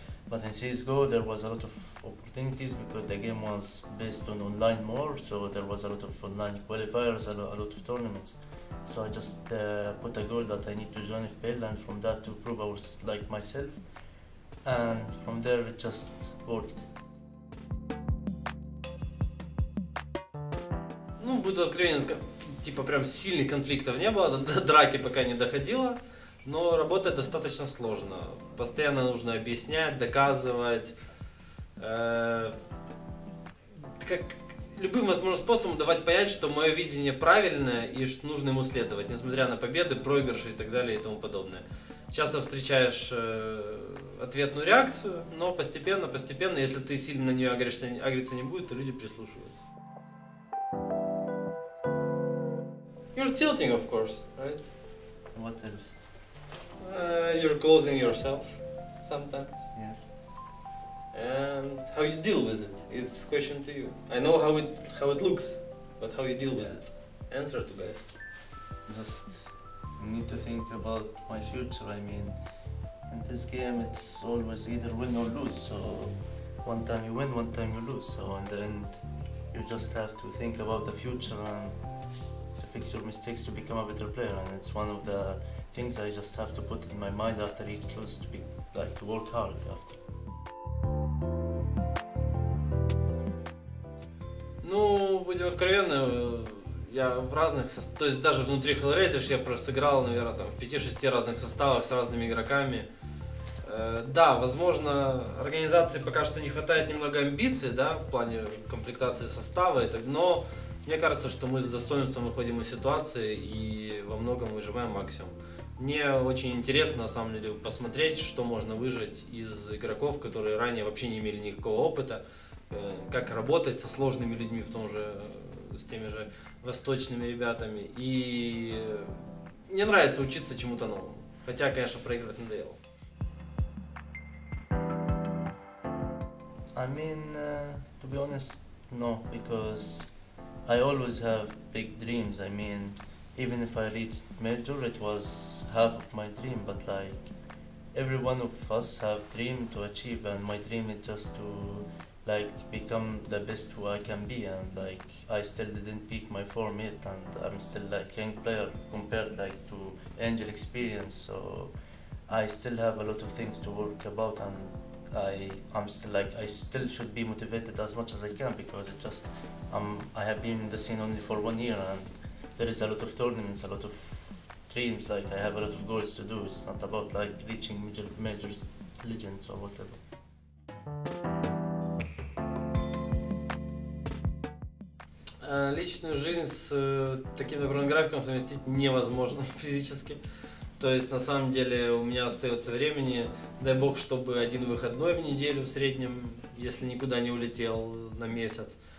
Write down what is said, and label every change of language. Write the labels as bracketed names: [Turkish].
[English] But in CSGO there was a lot of opportunities, because the game was based on online more, so there was a lot of online qualifiers, a lot of tournaments. So I just put a goal that I need to join FPL, and from that to prove I was like myself. And from there it just worked. [Russian] Ну, будь откровенен, типа прям сильных конфликтов не было, до драки пока не доходило. Но работает достаточно сложно. Постоянно нужно объяснять, доказывать. Как любым возможным способом давать понять, что мое видение правильное и что нужно ему следовать, несмотря на победы, проигрыши и так далее и тому подобное. Часто встречаешь ответную реакцию, но постепенно, если ты сильно на нее агрессия не будет, то люди прислушиваются. [English] You're tilting, of course, right? What else? You're closing yourself sometimes. Yes. And how you deal with it? It's a question to you. I know how it looks, but how you deal with it? Answer to guys. Just need to think about my future. I mean, in this game it's always either win or lose. So one time you win, one time you lose. So in the end, you just have to think about the future and to fix your mistakes to become a better player. And it's one of the things I just have to put in my mind after each loss, to be like to work hard after. [Russian] Ну, будем откровенны, я в разных составах, то есть даже внутри HellRaisers я сыграл, наверное, там, в 5-6 разных составах с разными игроками. Да, возможно, организации пока что не хватает немного амбиций, да, в плане комплектации состава, и так, но мне кажется, что мы с достоинством выходим из ситуации и во многом выжимаем максимум. Мне очень интересно, на самом деле, посмотреть, что можно выжать из игроков, которые ранее вообще не имели никакого опыта, как работать со сложными людьми, в том же, с теми же восточными ребятами. И мне нравится учиться чему-то новому. Хотя, конечно, проигрывать надоело. [English] I mean, to be honest, no, because I always have big dreams. I mean, even if I reached major, it was half of my dream, but like every one of us have dream to achieve, and my dream is just to like become the best who I can be, and like I still didn't peak my form yet, and I'm still like young player compared like to Angel experience, so I still have a lot of things to work about, and I still should be motivated as much as I can, because it just I have been in the scene only for 1 year, and there is a lot of tournaments, a lot of dreams, like I have a lot of goals to do. It's not about like reaching major legends or whatever. [Russian] Личную жизнь с таким добрым графиком совместить невозможно физически. То есть на самом деле у меня остается времени, дай бог, чтобы один выходной в неделю в среднем, если никуда не улетел на месяц.